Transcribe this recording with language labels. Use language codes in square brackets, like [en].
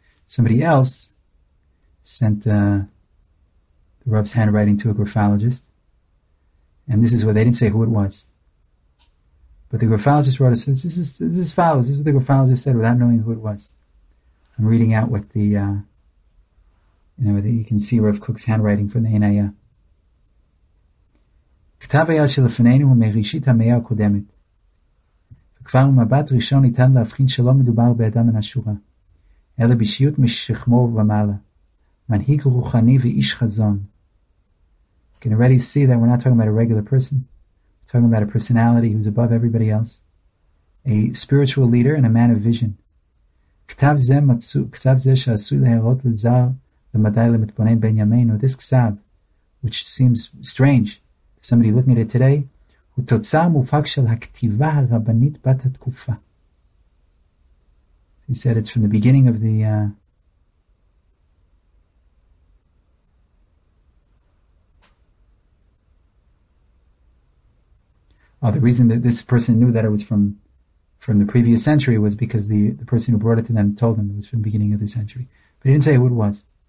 [en] Somebody else sent the Rav's handwriting to a graphologist. And this is what, they didn't say who it was. But the graphologist wrote, this is what the graphologist said without knowing who it was. I'm reading out what the... you know, that you can see Rav Cook's handwriting from the Hinayah. [he] כתב היד שלפנינו הוא מראשית המאה הקודמת. וכבר מבט ראשון ניתן להבחין שלא מדובר באדם מן השורה, אלא בשיות משכמו ומעלה, מנהיג רוחני ואיש חזון. [en] You can already see that we're not talking about a regular person. We're talking about a personality who's above everybody else. A spiritual leader and a man of vision. [he] כתב זה שעשוי להראות לזר למדי למתבונן בין ימינו. [en] This כתב, which seems strange to somebody looking at it today, [he] הוא תוצר מופק של הכתיבה הרבנית בת התקופה. [en] He said it's from the beginning of the Oh, the reason that this person knew that it was from the previous century was because the person who brought it to them told them it was from the beginning of the century. But he didn't say who it was.